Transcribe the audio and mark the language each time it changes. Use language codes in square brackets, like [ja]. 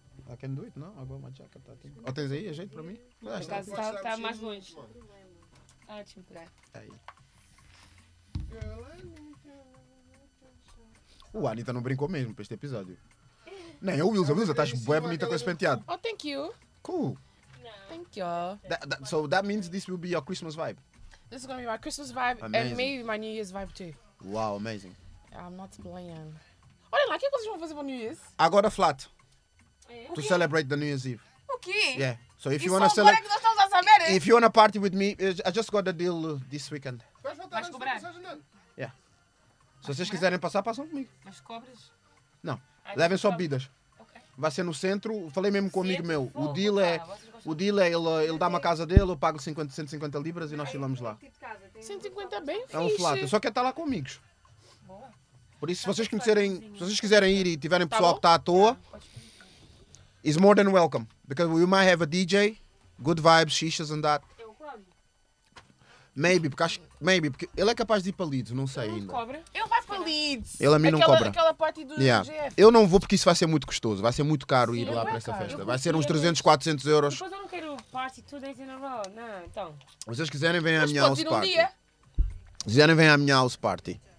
[en] I can do it, [pt] não? Agora uma jaca está aqui. Ou tens aí, ajeito para mim? Está mais longe. Ah, deixa-me pegar. Aí. O Anitta não brincou mesmo para este episódio. Não, é o Wilza, estás bué bonita com esse penteado. [en] Oh, thank you. Cool. Thank you. So that means this will be your Christmas vibe? This is going to be my Christmas vibe. Amazing. And maybe my New Year's vibe too. Wow, amazing. I'm not playing. [pt] Olha lá, o que é que vocês vão fazer para o New Year's? [en] Agora flat. To celebrate the New Year's Eve. Okay. Yeah. So if [pt] e [en] you want to celebrate... If you want to party with me, I just got the deal this weekend. [pt] Vais cobrar? [en] Yeah. [pt] Se vocês quiserem passar, passam comigo. Mas cobras? Não. Levem só bebidas. Ok. Vai ser no centro. Falei mesmo com um amigo meu. Oh, o deal é, o deal é, ele dá uma casa dele, eu pago 50, 150 libras e nós filamos lá. 150 é bem fixe. É um flat. Só quer estar lá com amigos. Por isso, se vocês conhecerem, se vocês quiserem ir e tiverem pessoal que está à toa, [en] is more than welcome. Because we might have a DJ, good vibes, shishas and that. Maybe, [pt] porque acho que... [en] Maybe, [pt] porque ele é capaz de ir para Leeds, não sei ainda. Ele vai para Leeds. Ele a mim não cobra. Aquela parte do GF. Eu não vou porque isso vai ser muito custoso. Vai ser muito caro ir lá para essa festa. Vai ser uns 300, 400 euros. Depois eu não quero [en] party 2 days in a row. [pt] Não, então... Vocês quiserem, vem à minha house party. Se quiserem, vem à minha house party.